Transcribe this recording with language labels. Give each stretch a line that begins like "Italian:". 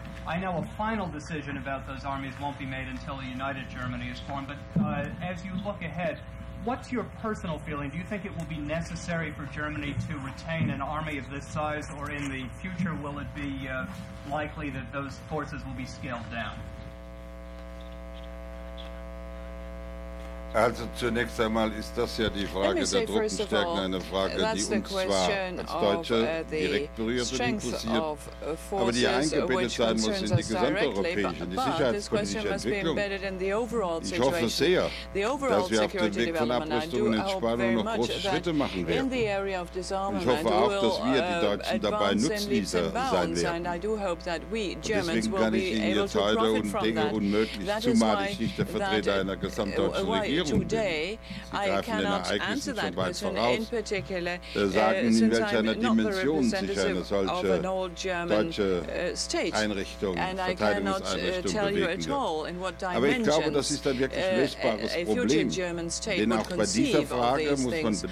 English: I know a final decision about those armies won't be made until a united Germany is formed, but as you look ahead, what's your personal feeling? Do you think it will be necessary for Germany to retain an army of this size, or in the future will it be likely that those forces will be scaled down?
German: Also zunächst einmal ist das ja die Frage der Truppenstärken, eine Frage, die uns zwar als Deutsche direkt berührt und interessiert, aber die eingebettet sein muss in die gesamteuropäische, die sicherheitspolitische Entwicklung. Ich hoffe sehr, dass wir auf dem Weg von Abrüstung und Entspannung noch große Schritte machen werden. Ich hoffe auch, dass wir, die Deutschen, dabei Nutznießer sein werden. Deswegen kann ich Ihnen jetzt heute und Dinge unmöglich, zumal ich nicht der Vertreter einer gesamtdeutschen Regierung.
English: Today, I cannot answer that question in particular since I'm not the representative of an old German state. And I cannot tell you at all in what dimensions a future German state would conceive of these things.